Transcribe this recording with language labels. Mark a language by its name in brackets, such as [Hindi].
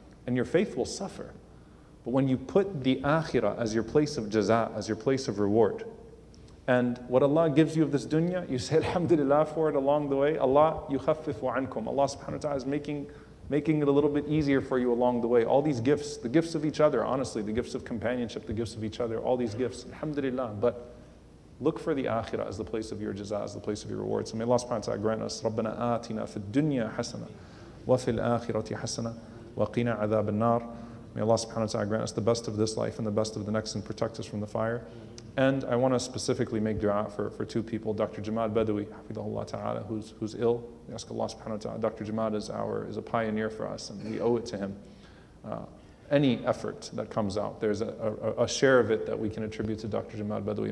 [English] And your faith will suffer. But when you put the akhirah as your place of jaza, as your place of reward, and what Allah gives you of this dunya, you say alhamdulillah for it along the way, Allah yukhaffifu ankum. Allah subhanahu wa ta'ala is making it a little bit easier for you along the way. All these gifts, the gifts of each other, honestly, the gifts of companionship, the gifts of each other, all these gifts, alhamdulillah. But Look for the akhirah as the place of your jaza, as the place of your rewards. And may Allah subhanahu wa ta'ala grant us, [Arabic] رَبَّنَا آتِنَا فِي الدُّنْيَا حَسَنَةً وَفِي الْآخِرَةِ حَسَنَةً وَقِنَا عَذَابَ النَّارِ. [English] May Allah subhanahu wa ta'ala grant us the best of this life and the best of the next and protect us from the fire. And I want to specifically make dua for two people, Dr. Jamad Badawi, hafidhahullah ta'ala, who's ill. We ask Allah subhanahu wa ta'ala. Dr. Jamad is a pioneer for us, and we owe it to him. Any effort that comes out, there's a share of it that we can attribute to Dr. Jamad Badawi.